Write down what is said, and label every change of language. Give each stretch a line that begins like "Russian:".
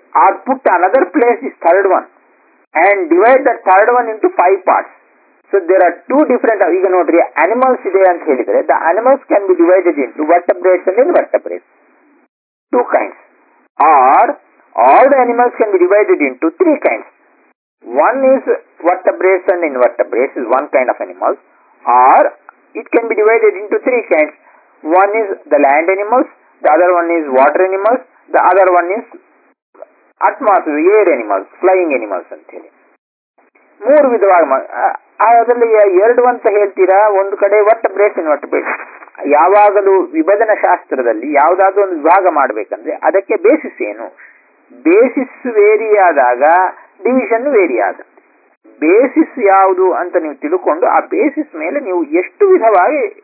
English: Are put another place is third one and divide the third one into 5 parts. So there are 2 different.
Kannada: ಈಗ ನೋಡ್ರಿ, animals ಇದೆ ಅಂತ ಹೇಳಿದ್ರೆ
English: The animals can be divided into vertebrates and vertebrates, 2 kinds. Are all the animals can be divided into 3 kinds. One is vertebrates and invertebrates is one kind of animals, or it can be divided into 3 kinds. One is the land animals, the other one is water animals, the other one is atmosphere animals flying animals
Kannada: ಅಂತೇಳಿ ಮೂರು ವಿಧವಾಗಿ ಅದರಲ್ಲಿ ಎರಡು ಅಂತ ಹೇಳ್ತೀರಾ ಒಂದು ಕಡೆ ಒಟ್ಟು ಬ್ರೇಕ್ ಇನ್ ಒಟ್ಟು ಬೇಕು ಯಾವಾಗಲೂ ವಿಭಜನ ಶಾಸ್ತ್ರದಲ್ಲಿ ಯಾವುದಾದ್ರೂ ಒಂದು ವಿಭಾಗ ಮಾಡಬೇಕಂದ್ರೆ ಅದಕ್ಕೆ ಬೇಸಿಸ್ ಏನು ಬೇಸಿಸ್ ವೇರಿ ಆದಾಗ ಡಿವಿಷನ್ ವೇರಿ ಆದ ಬೇಸಿಸ್ ಯಾವುದು ಅಂತ ನೀವು ತಿಳ್ಕೊಂಡು ಆ ಬೇಸಿಸ್ ಮೇಲೆ ನೀವು ಎಷ್ಟು ವಿಧವಾಗಿ